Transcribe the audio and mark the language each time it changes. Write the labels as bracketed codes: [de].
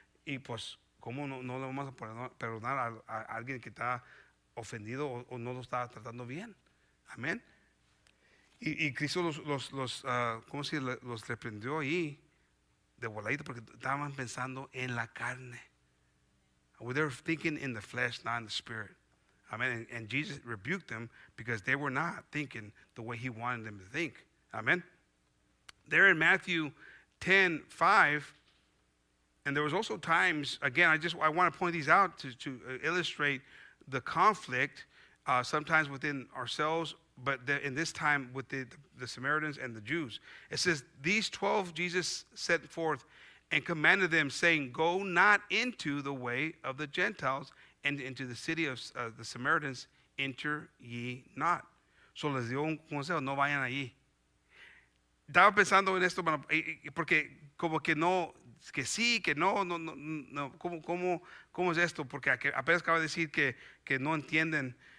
[es] Y pues, ¿cómo no le vamos a perdonar a alguien que está ofendido o no lo está tratando bien? Amén. Y Cristo los ¿cómo se dice? Los reprendió ahí, de voladito porque estaban pensando en la carne. [en] Well, they were thinking in the flesh, not in the spirit. Amen. And Jesus rebuked them because they were not thinking the way he wanted them to think. Amen. There in Matthew 10:5, and there was also times, again, I want to point these out to illustrate the conflict sometimes within ourselves, but in this time with the Samaritans and the Jews. It says, these 12 Jesus set forth and commanded them, saying, go not into the way of the Gentiles and into the city of the Samaritans, enter ye not. [es] So les dio un consejo, no vayan allí. Estaba pensando en esto, porque como que no, que sí, que no, no, no, no. ¿Cómo es esto? Porque apenas acaba de decir que no entienden.